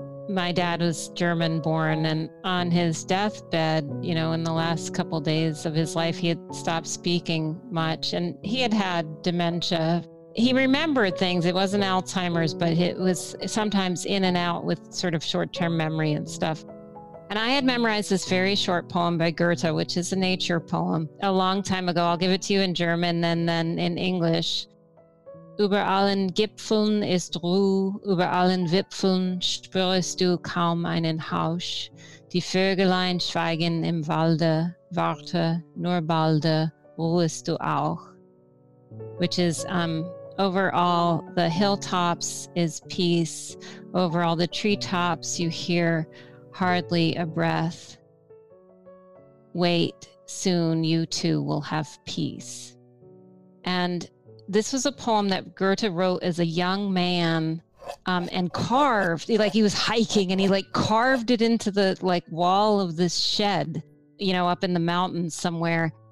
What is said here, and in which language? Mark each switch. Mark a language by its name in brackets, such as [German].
[English] My dad was German born, and on his deathbed, you know, in the last couple days of his life, he had stopped speaking much and he had had dementia. He remembered things. It wasn't Alzheimer's, but it was sometimes in and out with sort of short-term memory and stuff. And I had memorized this very short poem by Goethe, which is a nature poem, a long time ago. I'll give it to you in German and then in English. [German] Über allen Gipfeln ist Ruhe, über allen Wipfeln spürst du kaum einen Hauch. Die Vögelein schweigen im Walde, warte, nur balde, ruhest du auch. [English] Which is, over all the hilltops is peace, over all the treetops you hear hardly a breath. Wait, soon you too will have peace. And this was a poem that Goethe wrote as a young man, and carved, like he was hiking and he like carved it into the like wall of this shed, you know, up in the mountains somewhere.